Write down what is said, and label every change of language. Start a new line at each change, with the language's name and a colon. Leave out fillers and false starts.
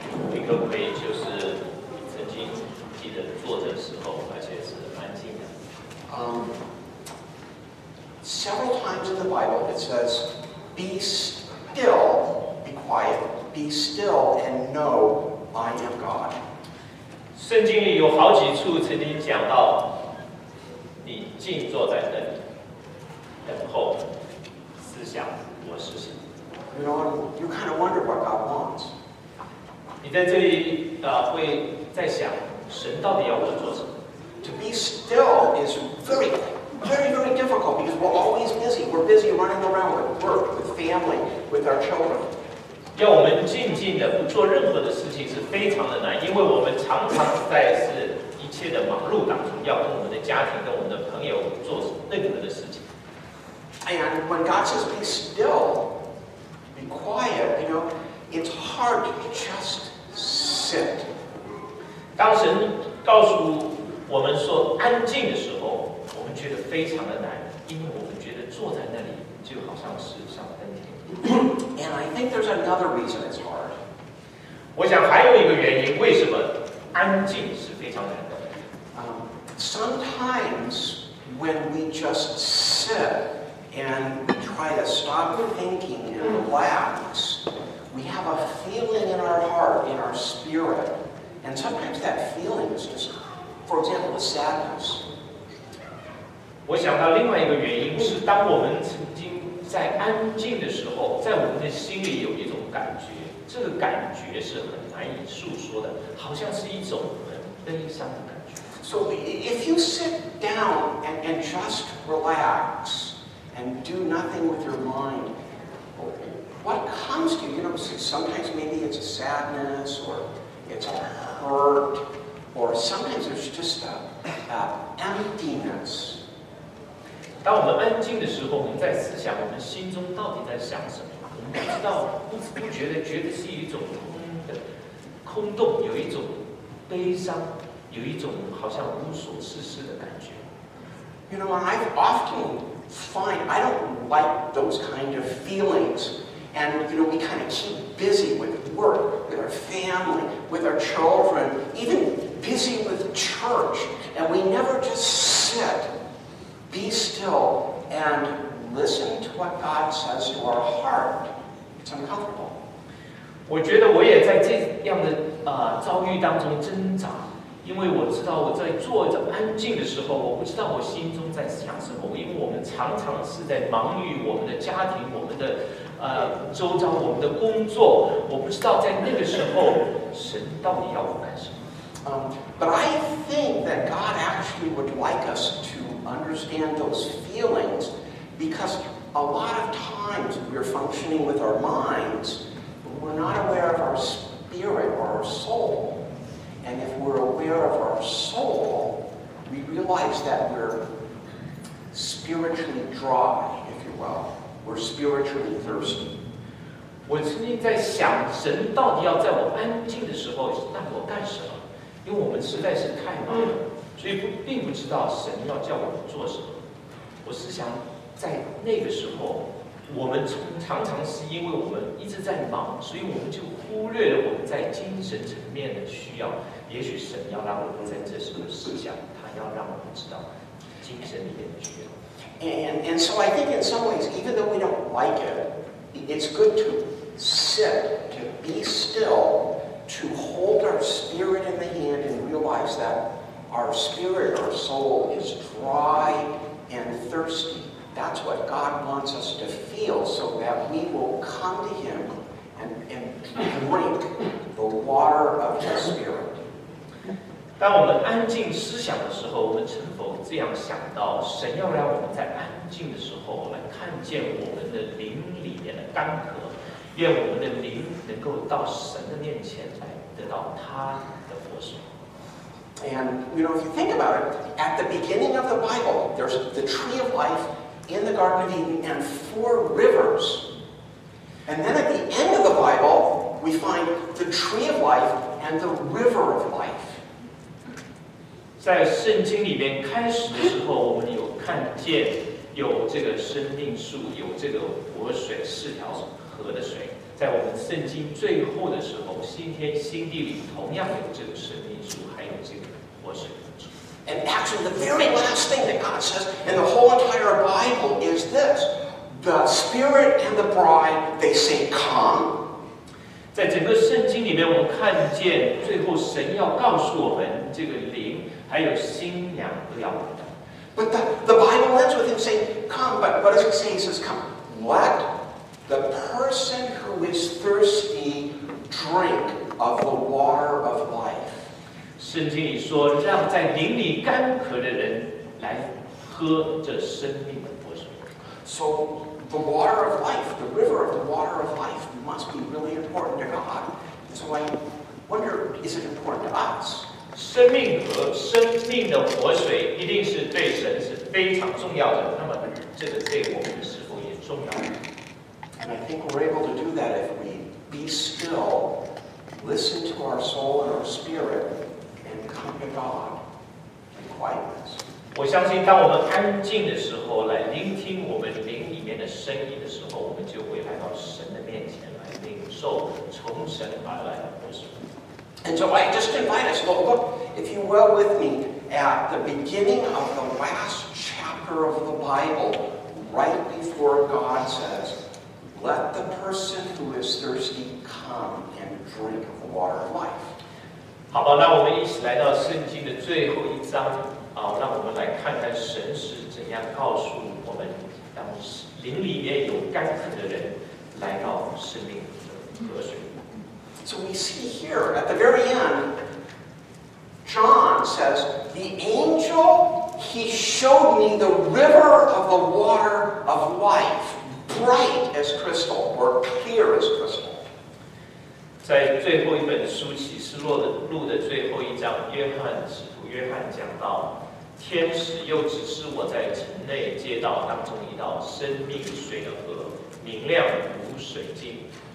Chinese: 你可不可以就是曾经记得坐的时候，而且是安静的？
English: Several times in the Bible it says, "Be still, be quiet, be still, and know I am God."
Chinese: 圣经里有好几处曾经讲到，你静坐在那里，等候，思想我是谁。
English: You know, you kind of wonder what God wants.
Chinese: 你在这里会在想，神到底要我做什么？
English: To be still is very, very difficult because we're always busy. We're busy running around with work, with family, with our children.
Chinese: 要我们静静的不做任何的事情是非常的难，因为我们常常在是一切的忙碌当中，要跟我们的家庭、跟我们的朋友做任何的事情。
English: And when God says be still, be quiet, you know, it's hard to just sit.
Chinese: 当神告诉我们说安静的时候，我们觉得非常的难，因为我们觉得坐在那里就好像是上了天堂。
English: And I think there's another reason it's hard.
Chinese: 我想还有一个原因，为什么安静是非常难的。
English: Sometimes when we just sit and try to stop thinking and relax, we have a feeling in our heart, in our spirit, and sometimes that feeling is just, for example, a sadness.
Chinese: 我想到另外一个原因是，当我们曾经在安静的时候，在我们的心里有一种感觉，这个感觉是很难以诉说的，好像是一种很悲伤的感觉。
English: So if you sit down and just relax and do nothing with your mind, what comes to you? You know, sometimes maybe it's a sadness or it's a hurt, or sometimes there's just a emptiness.
Chinese: 当我们安静的时候，我们在思想我们心中到底在想什么，我们不知道，不知不觉的觉得是一种空的空洞，有一种悲伤，有一种好像无所事事的感觉。
English: You know, I often find I don't like those kind of feelings. And you know, we kind of keep busy with work, with our family, with our children, even busy with church, and we never just sit. Be still and listen to what God says to our heart. It's uncomfortable.
Chinese: 我觉得我也在这样的遭遇当中挣扎，因为我知道我在坐着安静的时候，我不知道我心中在想什么。因为我们常常是在忙于我们的家庭、我们的周遭、我们的工作，我不知道在那个时候神到底要我干什么。
English: But I think that God actually would like us to. Understand those feelings because a lot of times we're functioning with our minds, but we're not aware of our spirit or our soul. And if we're aware of our soul, we realize that we're spiritually dry, if you will. We're spiritually thirsty.
Chinese: 我曾经在想，神到底要在我安静的时候让我干什么？因为我们实在是太忙了。所以不并不知道神要叫我们做什么。我是想在那个时候，我们常常是因为我们一直在忙，所以我们就忽略了我们在精神层面的需要。也许神要让我们在这时候思想，他要让我们知道精神里面的需要。
English: And so I think in some ways, even though we don't like it, it's good to sit, to be still, to hold our spirit in the hand and realize that. Our spirit, our soul is dry and thirsty. That's what God wants us to feel so that we will come to Him and drink the water of His Spirit.
Chinese: 当我们安静思想的时候，我们曾否这样想到，神要让我们在安静的时候来看见我们的灵里面的干渴，愿我们的灵能够到神的面前来得到他的活水。
English: And, you know, if you think about it, at the beginning of the Bible, there's the tree of life in the Garden of Eden and four rivers. And then at the end of the Bible, we find the tree of life and the river of life.
Chinese: 在圣经里面开始的时候，我们有看见有这个生命树，有这个活水，四条河的水。在我们圣经最后的时候，心天心地里同样有这个生命树，还有这个活水。
English: And actually, the very last thing that God says in the whole entire Bible is this: the Spirit and the Bride, they say, "Come."
Chinese: 在整个圣经里面，我看见最后神要告诉我们，这个灵还有新娘都要来。
English: But the Bible ends with him saying, "Come." But what does it say? He says, "Come." Let the person who is thirsty drink of the water of life.
Chinese: 圣经里说，让在灵里干渴的人来喝这生命的活水。
English: So the water of life, the river of the water of life, must be really important to God. So I wonder, is it important to us?
Chinese: 生命和生命的活水一定是对神是非常重要的。那么，这个对我们是否也重要呢
English: ？And I think we're able to do that if we be still, listen to our soul and our spirit, and come to God in quietness.
Chinese: 我相信，当我们安静的时候，来聆听我们灵里面的声音的时候，我们就会来到神的面前来领受从神而来的活水。
English: And so I just invite us, well, look, if you will with me, at the beginning of the last chapter of the Bible, right before God says, let the person who is thirsty come and drink of the water of life.
Chinese: 好吧，那我们一起来到圣经的最后一章，那我们来看看神是怎样告诉我们，让灵里面有干渴的人来到生命的河水。
English: So we see here, at the very end, John says, the angel, he showed me the river of the water of life, bright as crystal, or clear as crystal.
Chinese: 在最后一本书启示录 的最后一章，约翰使徒约翰讲到，天使又指示我在城内街道当中一道生命水的河，明亮如水晶。